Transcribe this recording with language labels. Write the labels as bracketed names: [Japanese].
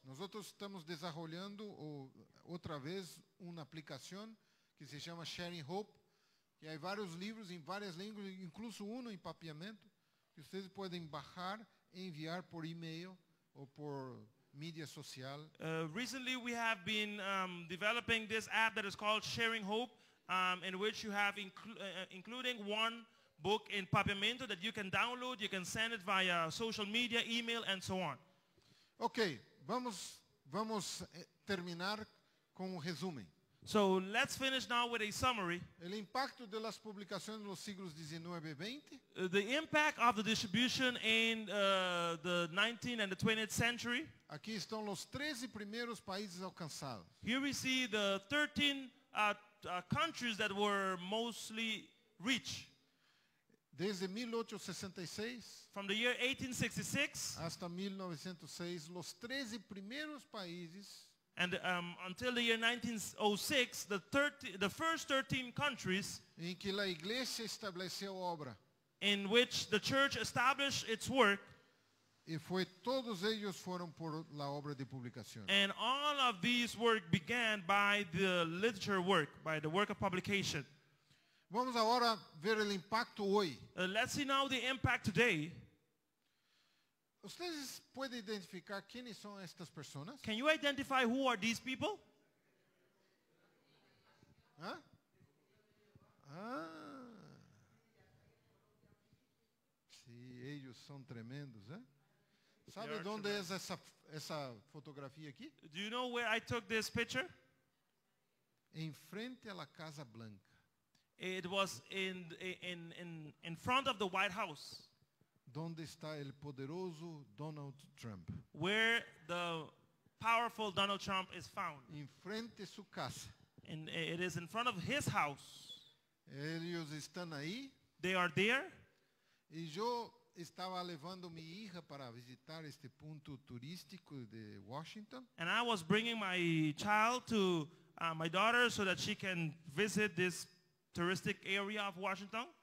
[Spanish] Nosotros estamos desarrollando otra vez una aplicación que se llama Sharing Hope, y hay varios libros en varias lenguas, incluso uno en papiamento, que ustedes pueden bajar e enviar por email o por media social. [English] Recently we have been developing this app that is called Sharing Hope, in which you have including one book in papiamento that you can download, you can send it via social media, email, and so on. [Spanish] Okay, vamos terminar con un resumen. [English] So let's finish now with a summary. [Spanish] El impacto de las publicaciones en los siglos 19 y 20. [English] The impact of the distribution in the 19th and the 20th century. [Spanish] Aquí están los 13 primeros países alcanzados. [English] Here we see the 13 countries that were mostly rich. [Spanish] Desde 1866. [English] From the year 1866. [Spanish] Hasta 1906, los 13 primeros países. [English] And until the year 1906, the first 13 countries [Spanish] en que la iglesia estableció obra, [English] in which the church established its work, [Spanish] y fue, todos ellos fueron por la obra de publicación. [English] And all of these work began by the literature work, by the work of publication. [Spanish] Vamos agora ver el impacto hoy. [English] Let's see now the impact today. [Spanish] ¿Ustedes pueden identificar quiénes son estas personas? [English] Can you identify who are these people? ¿Ah? Ah. [Spanish] Sí, ellos son tremendos, ¿eh? ¿Sabe dónde es esa fotografía aquí? [English] Do you know where I took this picture? [Spanish] En frente a la Casa Blanca. [English] It was in front of the White House. [Spanish] ¿Dónde está el poderoso Donald Trump? [English] Where the powerful Donald Trump is found. [Spanish] En frente a su casa. [English] And it is in front of his house. [Spanish] Ellos están ahí. [English] They are there. [Spanish] Y yo estaba llevando mi hija para visitar este punto turístico de Washington. [English] And I was bringing my child to my daughter so that she can visit this touristic area of Washington.